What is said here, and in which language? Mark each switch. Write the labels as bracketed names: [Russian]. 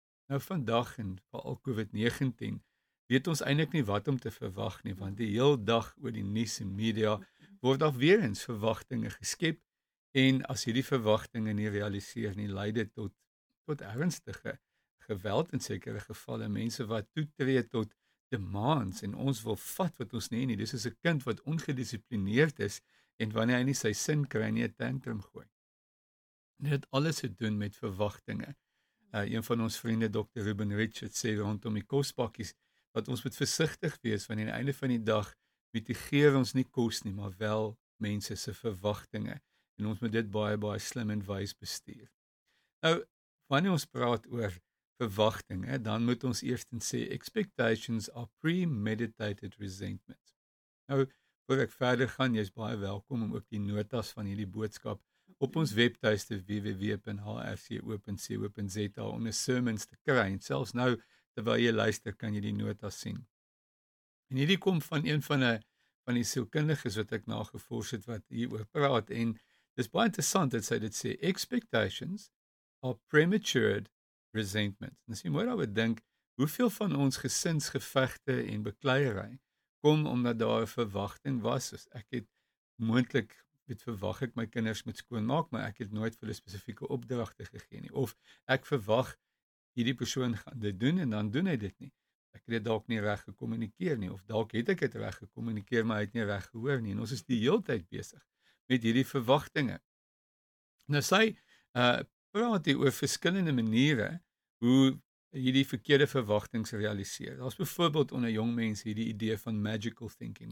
[Afrikaans] Nou vandag en veral COVID-19 weet ons eintlik nie wat om te verwag nie, want die heel dag oor die nuus en media word daar weer eens verwagtinge geskep en as hierdie verwagtinge nie realiseer nie, lei dit tot ernstige geweld in sekere gevalle, mense wat toetree tot demands en ons wil vat wat ons nie nie. Dis soos 'n kind wat ongedissiplineerd is en wanneer hy nie sy sin kry nie, 'n tantrum gooi. Dit het alles te doen met verwagtinge. Een van ons vriende Dr. Ruben Richards sê rondom die kospakkies dat ons moet versigtig wees want aan die einde van die dag mitigeer ons nie kos nie, maar wel mense se verwagtinge en ons moet dit baie baie slim en wys bestuur. Nou wanneer ons praat oor verwagtinge, dan moet ons eerstens sê [English] expectations are premeditated resentment. [Afrikaans] Nou, voor ek verder gaan, jy is baie welkom om ook die notas van hierdie boodskap op ons webtuiste www.hrc.co.za onder sermons te kry. En selfs nou, terwyl jy luister, kan jy die notas sien. En hierdie kom van een van die sielkundiges wat ek nagevors het wat hieroor praat. En dis baie interessant dat sy dit sê, [English] expectations are prematured resentment. [Afrikaans] En sien, moet ou dink, hoeveel van ons gesinsgevegte en bekleierery kom omdat daar 'n verwagting was, soos ek het moontlik met verwag ek my kinders moet skoon maak, maar ek het nooit vir hulle spesifieke opdragte gegee nie. Of ek verwag hierdie persoon gaan dit doen en dan doen hy dit nie. Ek het dit dalk nie reg gekommunikeer nie, of dalk het ek dit reg gekommunikeer, maar hy het nie reg gehoor nie. En ons is die hele tyd besig met hierdie verwagtinge. Nou sy praat hier oor verskillende maniere hoe hierdie verkeerde verwagtinge realiseer. Daar's byvoorbeeld onder jong mense hierdie idee van magical thinking.